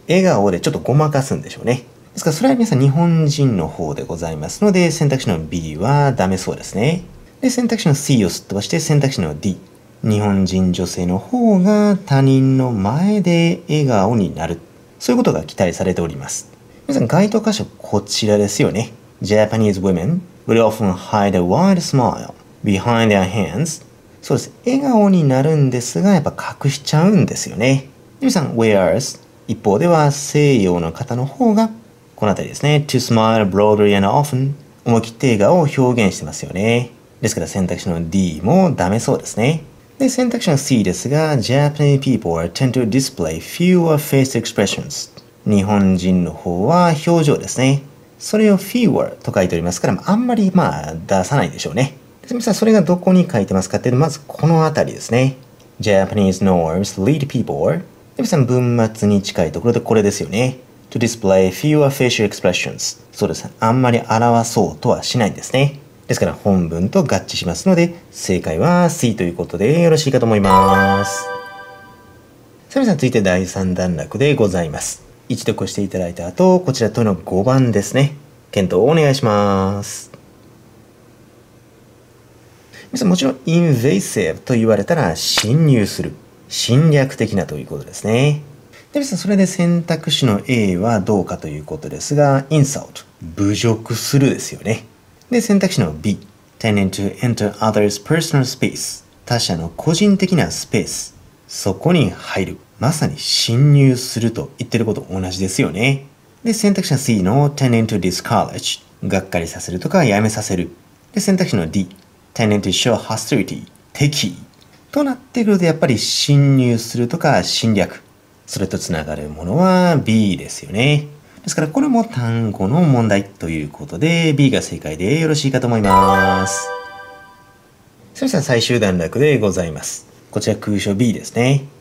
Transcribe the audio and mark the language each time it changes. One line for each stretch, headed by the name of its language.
Japanese: 笑顔でちょっとごまかすんでしょうね。ですから、それは皆さん日本人の方でございますので、選択肢の B はダメそうですね。で、選択肢の C をすっ飛ばして、選択肢の D。日本人女性の方が他人の前で笑顔になる。そういうことが期待されております。皆さん、該当箇所こちらですよね。
English: Japanese women will often hide a wide smile behind their hands.
Japanese: そうです。笑顔になるんですが、やっぱ隠しちゃうんですよね。皆さん、whereas、一方では西洋の方の方が、このあたりですね。
English: to smile broadly and often。
Japanese: 思い切って笑顔を表現してますよね。ですから選択肢の D もダメそうですね。で、選択肢の C ですが、
English: Japanese people tend to display fewer face expressions。
Japanese: 日本人の方は表情ですね。それを fewer と書いておりますから、あんまりまあ出さないでしょうね。で、皆さんそれがどこに書いてますかっていうと、まずこのあたりですね。
English: Japanese norms lead people。
Japanese: で、皆さん文末に近いところでこれですよね。
English: to display fewer facial expressions。
Japanese: そうです。あんまり表そうとはしないんですね。ですから本文と合致しますので、正解は C ということでよろしいかと思います。さあ皆さん続いて第3段落でございます。一読していただいた後、こちら問いの5番ですね。検討をお願いします。皆さん、もちろん invasive と言われたら侵入する。侵略的なということですね。で、皆さん、それで選択肢の A はどうかということですが、insult、侮辱するですよね。で、選択肢の B、
English: tending to enter others' personal space、
Japanese: 他者の個人的なスペース、そこに入る。まさに侵入すると言ってること同じですよね。で、選択肢の C の
English: tending to discourage、
Japanese: がっかりさせるとかやめさせる。で、選択肢の D、
English: tending to show hostility、
Japanese: 敵意。となってくるとやっぱり侵入するとか侵略。それとつながるものは B ですよね。ですからこれも単語の問題ということで B が正解でよろしいかと思います。それでは最終段落でございます。こちら空所 B ですね。